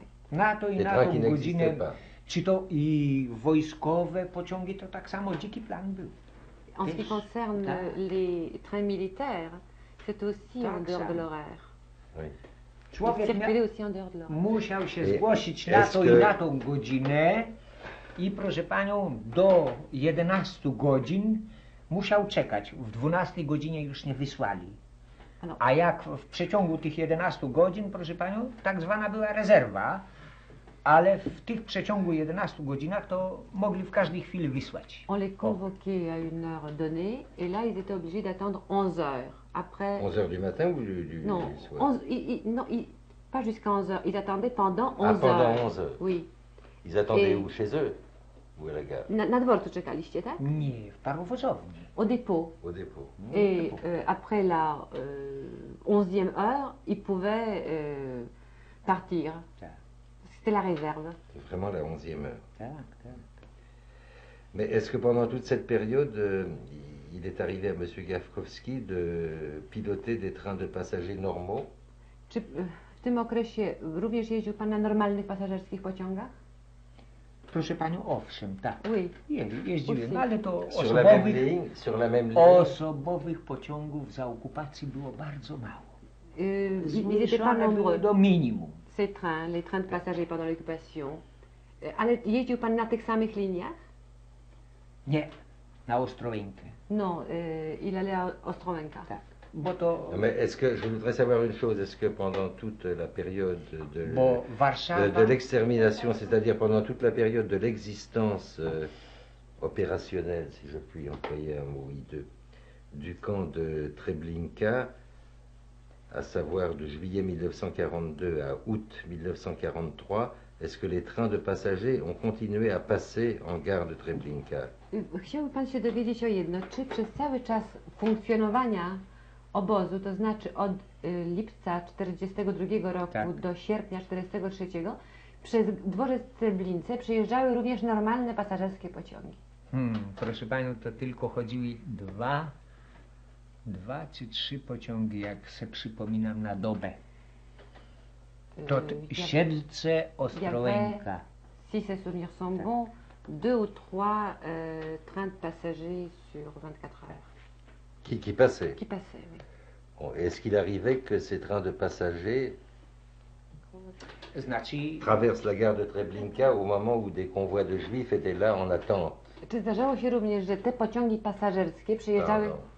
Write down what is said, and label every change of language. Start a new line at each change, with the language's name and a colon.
Polish: Na to i na tą godzinę, czy to i wojskowe pociągi, to tak samo dziki plan był.
French: En ce qui concerne les trains militaires, c'est aussi en dehors de l'horaire. Oui.
Polish: Musiał się zgłosić na to i na tą godzinę i proszę panią, do 11 godzin musiał czekać. W 12 godzinie już nie wysłali. A jak w przeciągu tych 11 godzin, proszę panią, tak zwana była rezerwa, ale w tych przeciągu 11 godzinach to mogli w każdej chwili wysłać.
French: On les convoquait à une heure donnée et là ils étaient obligés d'attendre 11 heures. Après 11 heures du matin ou du soir? Non, 11 non, pas jusqu'à 11 heures, ils attendaient pendant 11 heures. Pendant 11 heures. Oui. Ils attendaient où chez eux? Où la gare?
Polish: Na dworcu czekaliście, tak? Nie, w parowozowni.
French: Au dépôt. Au dépôt. Et après la 11e heure, ils pouvaient partir. C'était la réserve. C'est vraiment la 11e heure. Mais est-ce que pendant toute cette période, il est arrivé à M. Gawkowski de piloter des trains de passagers normaux?
Polish: Czy w tym okresie również jeździł pan na normalnych pasażerskich pociągach? Proszę panią, owszem, tak.
French: Oui.
Polish: Jeździłem,
French: oui.
Polish: Ale to osobowych pociągów za okupacji było bardzo mało. Zmniejszone było do minimum.
French: Ces trains, les trains de passagers pendant l'occupation.
Polish: Ale jeździł pan na tych samych liniach? Nie, na Ostrołękę.
French: No, il allait à Ostrołęka.
Polish: Tak. Bo to...
French: Non, mais est-ce que je voudrais savoir une chose, est-ce que pendant toute la période de l'extermination, c'est-à-dire pendant toute la période de l'existence opérationnelle, si je puis employer un mot hideux, du camp de Treblinka, à savoir de juillet 1942 à août 1943, est-ce que les trains de passagers ont continué à passer en gare de Treblinka?
Polish: Chciałby pan się dowiedzieć o jedno, czy przez cały czas funkcjonowania obozu, to znaczy od lipca 42 roku tak. do sierpnia 43, przez dworzec Treblince przejeżdżały również normalne pasażerskie pociągi. Hmm, proszę Panią, to tylko chodziły dwa czy trzy pociągi, jak se przypominam, na dobę. To Siedlce, Ostrołęka.
French: Si ces souvenirs sont bons, deux ou trois trains de passagers sur 24 heures. Qui passaient ? Qui passaient, oui. Bon, est-ce qu'il arrivait que ces trains de passagers traversent la gare de Treblinka au moment où des convois de juifs étaient là en attente ?
Polish: Czy zdarzało się również, że te pociągi pasażerskie przyjeżdżały...